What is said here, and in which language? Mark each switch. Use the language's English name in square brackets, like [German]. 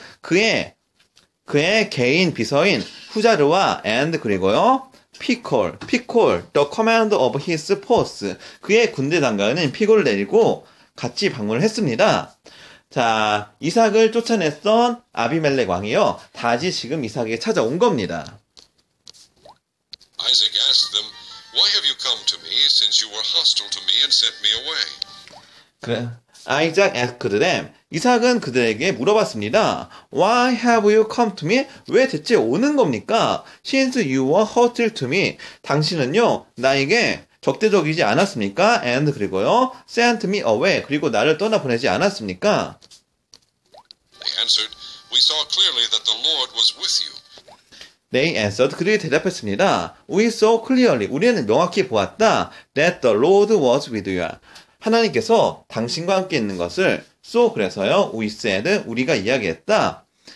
[Korean] 그의 개인 비서인 후자르와 [English] and [Korean] 그리고요. [English] Phicol, the commander of his force. [Korean] 그의 군대 장관인 피골을 데리고 같이 방문을 했습니다. 자, 이삭을 쫓아냈던 아비멜렉 왕이요. 다시 지금 이삭에게 찾아온 겁니다. [English] Isaac asked them, Why have you come to me since you were hostile to me and sent me away? [Korean] 그래. [English] Isaac asked them. [Korean] 이삭은 그들에게 물어봤습니다. [English] Why have you come to me? [Korean] 왜 대체 오는 겁니까? [English] Since you were hostile to me. [Korean] 당신은요, 나에게 적대적이지 않았습니까? [English] And [Korean] 그리고요, [English] sent me away. [Korean] 그리고 나를 떠나보내지 않았습니까? [English] They answered, We saw clearly that the Lord was with you. They answered, [Korean] 그들이 대답했습니다. [English] We saw clearly, [Korean] 우리는 명확히 보았다. [English] That the Lord was with you. [Korean] 하나님께서 당신과 함께 있는 것을, [English] so [Korean] 그래서요, [English] we said, [Korean] 우리가 이야기했다.